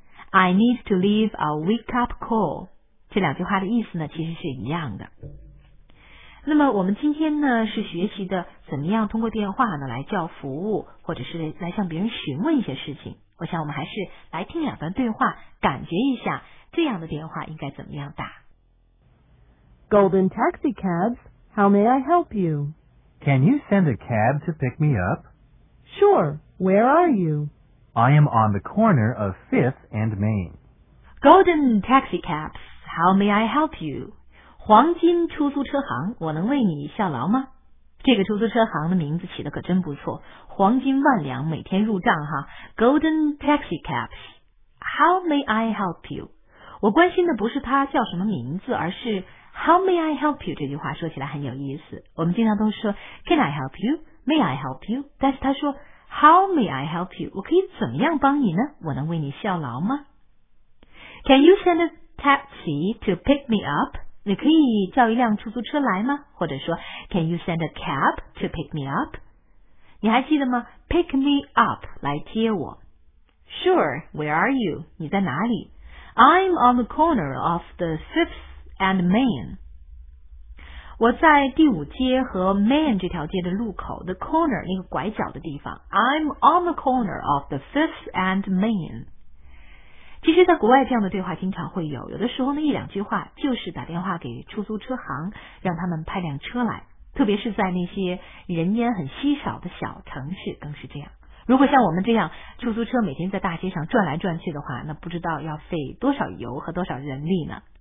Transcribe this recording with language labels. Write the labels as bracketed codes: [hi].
[en] I need to leave a wake up call， [zh] 这两句话的意思呢，其实是一样的。那么我们今天呢是学习的怎么样通过电话呢来叫服务，或者是来向别人询问一些事情。我想我们还是来听两段对话，感觉一下这样的电话应该怎么样打。 [en] Golden Taxi Cabs, how may I help you? Can you send a cab to pick me up? Sure, where are you? I am on the corner of 5th and Main. Golden Taxi Cabs, how may I help you? [zh] 黄金出租车行，我能为你效劳吗？这个出租车行的名字起得可真不错，黄金万两每天入账哈。 [en] Golden Taxi Cabs, How may I help you? [zh] 我关心的不是他叫什么名字，而是 [en] How may I help you? [zh] 这句话说起来很有意思。我们经常都说 [en] Can I help you? May I help you? [zh] 但是他说 [en] How may I help you? [zh] 我可以怎么样帮你呢？我能为你效劳吗？ [en] Can you send a taxi to pick me up? [zh] 你可以叫一辆出租车来吗？或者说 [en] Can you send a cab to pick me up? [zh] 你还记得吗？ [en] Pick me up, [zh] 来接我。 [en] Sure, where are you? [zh] 你在哪里？ [en] I'm on the corner of the 5th and Main. [zh] 我在第五街和 Main 这条街的路口， [en] the corner, [zh] 那个拐角的地方。 [en] I'm on the corner of the 5th and Main. [zh] 其实在国外这样的对话经常会有的时候呢，一两句话就是打电话给出租车行，让他们派辆车来，特别是在那些人烟很稀少的小城市更是这样。如果像我们这样出租车每天在大街上转来转去的话，那不知道要费多少油和多少人力呢。